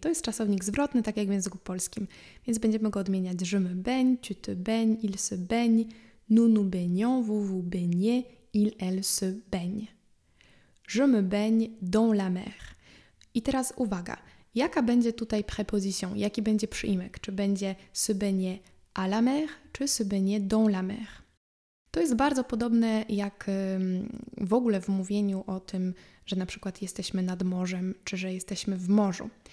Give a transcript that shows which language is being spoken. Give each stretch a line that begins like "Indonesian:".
Polish: To jest czasownik zwrotny, tak jak w języku polskim. Więc będziemy go odmieniać.
French: Je me baigne, tu te baignes, il se baigne, nous nous baignons, vous vous baignez, il, elle se baigne. Je me baigne dans la mer.
Polish: I teraz uwaga. Jaka będzie tutaj preposition? Jaki będzie przyimek? Czy będzie
French: se baigner à la mer,
Polish: czy
French: se baigner dans la mer?
Polish: To jest bardzo podobne jak w ogóle w mówieniu o tym, że na przykład jesteśmy nad morzem, czy że jesteśmy w morzu.